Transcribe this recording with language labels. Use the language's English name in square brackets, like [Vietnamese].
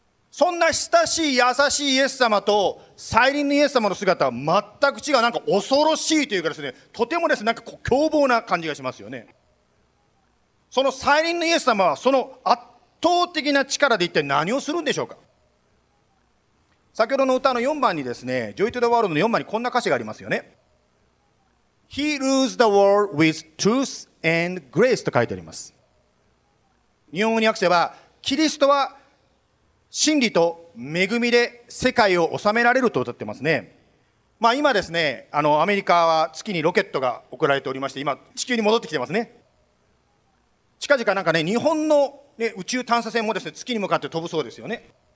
[Japanese] そんな親しい優しいイエス様と再臨のイエス様の姿は全く違う、なんか恐ろしいというかですね、とてもですね、なんかこう凶暴な感じがしますよね。その再臨のイエス様はその圧倒的な力で一体何をするんでしょうか。先ほどの歌の4番にですね、ジョイ・トゥ・ザ・ワールドの4番にこんな歌詞がありますよね。 [English] He rules the world with truth and grace [Japanese] と書いてあります。日本語に訳せば、キリストは真理と恵みで世界を治められると歌ってますね。まあ今ですね、アメリカは月にロケットが送られておりまして、今地球に戻ってきてますね。近々なんかね、日本の、ね、宇宙探査船もですね、月に向かって飛ぶそうですよね。